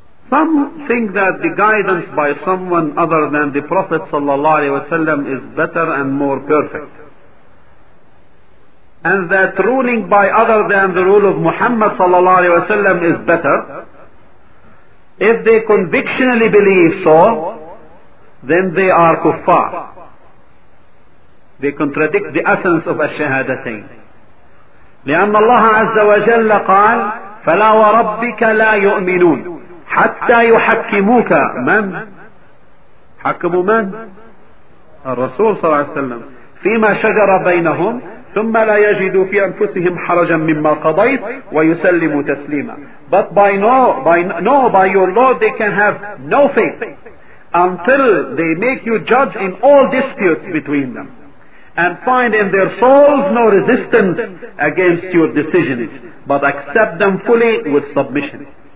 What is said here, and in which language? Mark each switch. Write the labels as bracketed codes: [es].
[en] Some think that the guidance by someone other than the Prophet ﷺ is better and more perfect, and that ruling by other than the rule of Muhammad ﷺ is better. If they convictionally believe so, then they are kuffar. They contradict the essence of الشهادتين. [ar] لأن الله عز وجل قال فلا وربك لا يؤمنون حتى يحكموك. من حكموا؟ من الرسول صلى الله عليه وسلم فيما شجر بينهم ثم لا يجدوا في أنفسهم حرجا مما قضيت ويسلموا تسليما. [en] But by your Lord they can have no faith until they make you judge in all disputes between them and find in their souls no resistance against your decisions, but accept them fully with submission.